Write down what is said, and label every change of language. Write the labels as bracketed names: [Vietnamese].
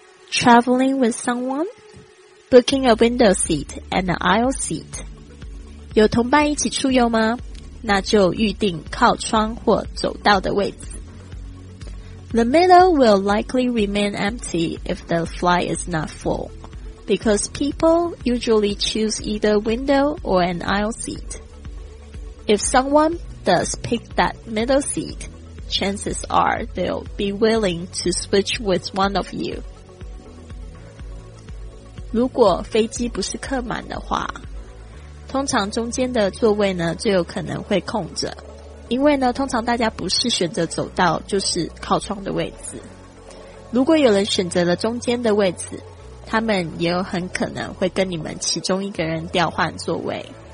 [English] Traveling with someoneBooking a window seat and an aisle seat. [Chinese] 有同伴一起出游吗？那就预定靠窗或走道的位置。 [English] The middle will likely remain empty if the flight is not full, because people usually choose either window or an aisle seat. If someone does pick that middle seat, chances are they'll be willing to switch with one of you. [Chinese] 如果飞机不是客满的话，通常中间的座位呢最有可能会空着，因为呢通常大家不是选择走道就是靠窗的位置。如果有人选择了中间的位置，他们也有很可能会跟你们其中一个人调换座位。